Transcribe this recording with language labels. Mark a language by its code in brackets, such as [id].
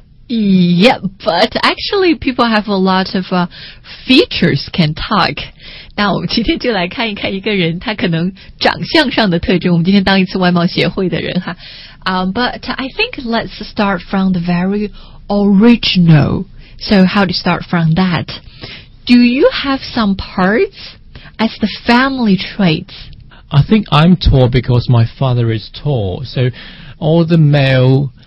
[en] Yeah, but actually people have a lot of features can talk. [zh] 那我们今天就来看一看一个人他可能长相上的特征，我们今天当一次外貌协会的人哈。 [en] But I think let's start from the very original. So how to start from that? Do you have some parts as the family traits? I think I'm tall because my father is tall. So all the male...